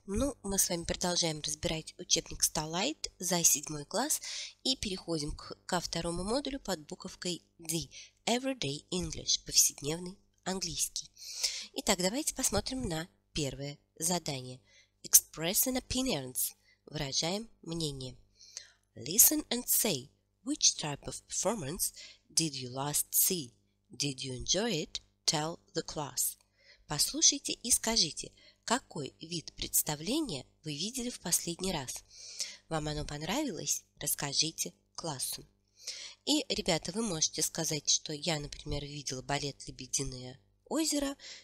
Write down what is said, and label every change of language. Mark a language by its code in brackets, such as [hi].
[ru] Мы с вами продолжаем разбирать учебник Starlight за 7 класс и переходим ко второму модулю под буковкой D. [en] Everyday English [ru] – повседневный английский. Итак, давайте посмотрим на первое задание. [en] Expressing opinions – [ru] выражаем мнение. [en] Listen and say, which type of performance did you last see? Did you enjoy it? Tell the class. [ru] Послушайте и скажите – какой вид представления вы видели в последний раз? Вам оно понравилось? Расскажите классу. И, ребята, вы можете сказать, что я, например, видела балет «Лебединое озеро».